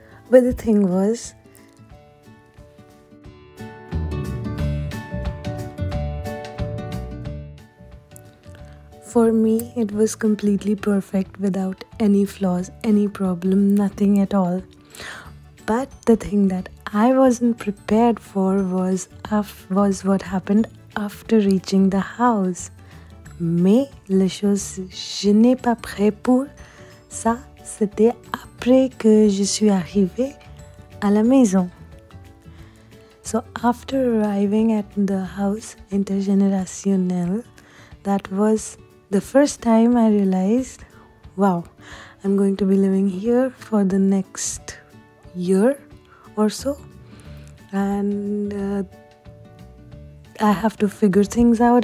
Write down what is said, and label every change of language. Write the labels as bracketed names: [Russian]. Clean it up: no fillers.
[English] But the thing was, for me, it was completely perfect without any flaws, any problem, nothing at all. But the thing that I wasn't prepared for was what happened after reaching the house. [French] Mais les choses je n'ai pas prêt pour ça, c'était après que je suis arrivée à la maison. [English] So after arriving at the house intergenerationnel, that was the first time I realized wow, I'm going to be living here for the next year or so. And I have to figure things out.